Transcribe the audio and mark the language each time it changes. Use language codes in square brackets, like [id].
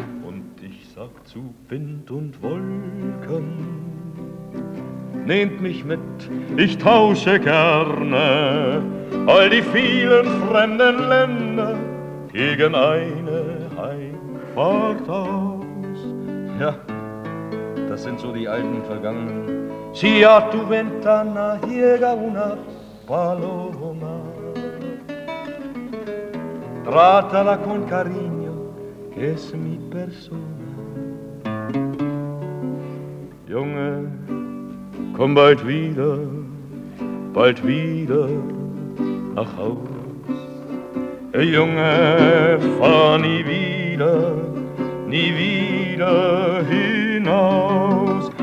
[de] Und ich sag zu Wind und Wolken, nehmt mich mit, ich tausche gerne all die vielen fremden Länder gegen eine Heimfahrt aus. Ja, das sind so die alten Vergangenen. [es] Si a tu ventana llega una paloma, trátala con cariño, que es mi persona. [de] Junge, komm bald wieder nach Haus. Hey, Junge, fahr nie wieder hinaus.